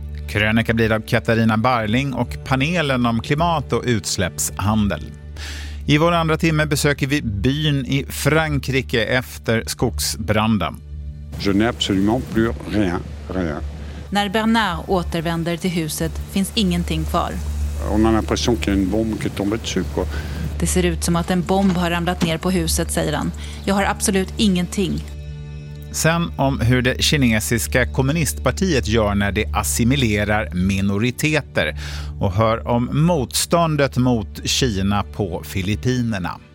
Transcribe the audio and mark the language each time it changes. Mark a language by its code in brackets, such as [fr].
[sv] Krönika blir av Katarina Barling och panelen om klimat- och utsläppshandel. I vår andra timme besöker vi byn i Frankrike efter skogsbranden. [fr] Je n'ai absolument plus rien, rien. [sv] När Bernard återvänder till huset finns ingenting kvar. [fr] On a l'impression qu'il y a une bombe qui est tombée dessus, quoi. [sv] Det ser ut som att en bomb har ramlat ner på huset, säger han. Jag har absolut ingenting. Sen om hur det kinesiska kommunistpartiet gör när det assimilerar minoriteter. Och hör om motståndet mot Kina på Filippinerna.